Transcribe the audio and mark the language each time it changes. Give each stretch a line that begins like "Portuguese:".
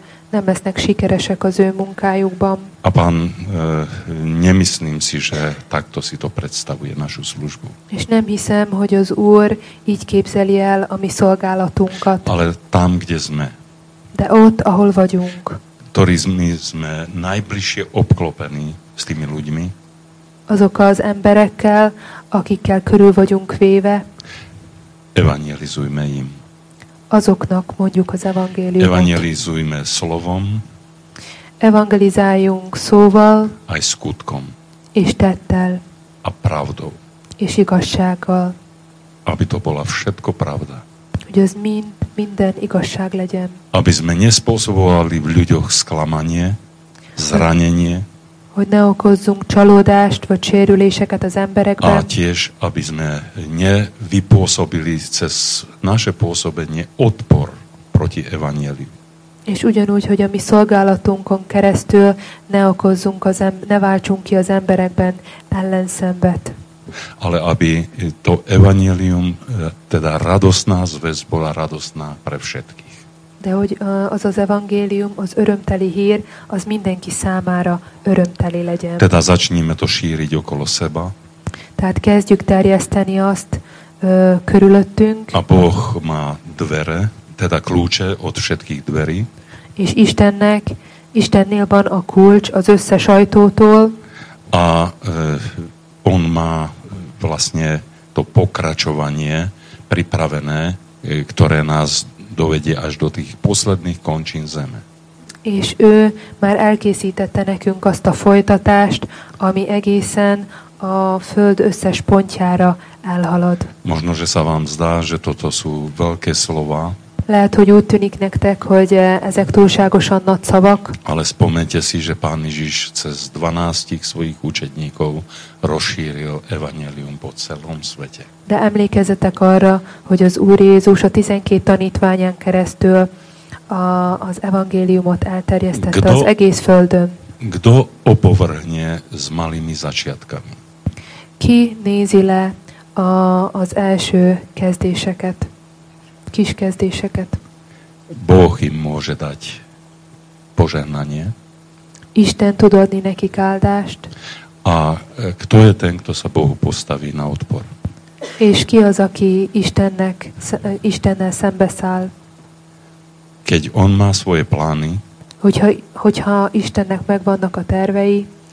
Hungarian: Nem lesznek sikeresek az ő munkájukban.
Slovak: A pán, nemyslím si, že takto si to predstavuje našu službu.
Hungarian: És nem hiszem, hogy az Úr így képzeli el a mi szolgálatunkat.
Slovak: Ale tam, kde sme.
Hungarian: De ott, ahol vagyunk.
Slovak: Ktorí sme najbližšie obklopení s tými ľuďmi.
Hungarian: Azok az emberekkel, akikkel körül vagyunk véve.
Slovak: Evangelizujme im.
Hungarian: Azoknak mondjuk az evangéliumot.
Slovak: Evangelizujme slovom.
Hungarian: Evangelizáljunk szóval.
Slovak: Aj skutkom.
Hungarian: És tettel.
Slovak: A pravdou.
Hungarian: És igazsággal.
Slovak: Aby to bola všetko pravda.
Hungarian: Hogy az minden igazság legyen.
Slovak: Aby sme nespôsobovali v ľuďoch sklamanie, zranenie.
Hungarian: Hogy ne okozzunk csalódást vagy sérüléseket az emberekben.
Slovak: A tiež, aby sme nevypôsobili cez naše pôsobenie odpor proti evanjeliu.
Hungarian: És ugyanúgy, hogy a mi szolgálatunkon keresztül ne váltsunk ki az emberekben ellenszenvet.
Slovak: Ale aby to evanjelium, teda radosná zväz, bola radosná pre všetky.
Hungarian: De hogy az az evangélium, az örömteli hír, az mindenki számára örömteli legyen.
Slovak: Teda začníme to šíriť okolo seba.
Hungarian: Tehát kezdjük terjeszteni azt körülöttünk.
Slovak: A Boh má dvere, teda kľúče od všetkých dverí.
Hungarian: És Istennél van a kulcs az összes ajtótól.
Slovak: A on má vlastne to pokračovanie pripravené, ktoré nás dovedie až do tých posledných končín zeme.
Hungarian: És ő már elkészítette nekünk azt a folytatást, ami egészen a föld összes pontjára elhalad.
Slovak: Možno, že sa vám zdá, že toto sú veľké slova.
Hungarian: Lehet, hogy úgy tűnik nektek, hogy ezek túlságosan nagy szavak.
Slovak: Ale spomente si, že Pán Ježiš cez 12 svojich učedníkov rozšíril evangélium po celom svete.
Hungarian: De emlékezzetek arra, hogy az Úr Jézus a 12 tanítványán keresztül az evangéliumot elterjesztette az egész földön.
Slovak: Kdo opovrhne s malými začiatkami?
Hungarian: Ki nézi le az első kezdéseket? Kis kezdéseket.
Slovak: Boh im môže dať požehnanie.
Hungarian: Isten tud adni nekik áldást.
Slovak: A kto je ten, kto sa Bohu postaví na odpor?
Hungarian: És ki az, aki Istennel szembeszáll?
Slovak: Keď on má svoje plány,
Hungarian: hogyha Istennek megvannak a tervei,